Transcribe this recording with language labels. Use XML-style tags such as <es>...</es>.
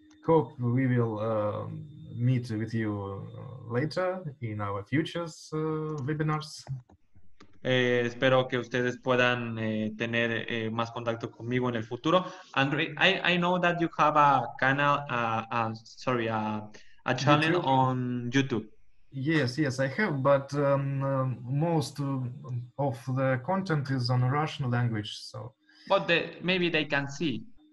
<en>Hope we will meet with you later in our futures webinars.</en> <es>Espero que ustedes puedan tener más contacto conmigo en el futuro.</es> <en>Andre, I know that you have a canal, a channel YouTube. On YouTube. Yes, I have, but most of the content is on Russian language, so. But maybe they can see.</en>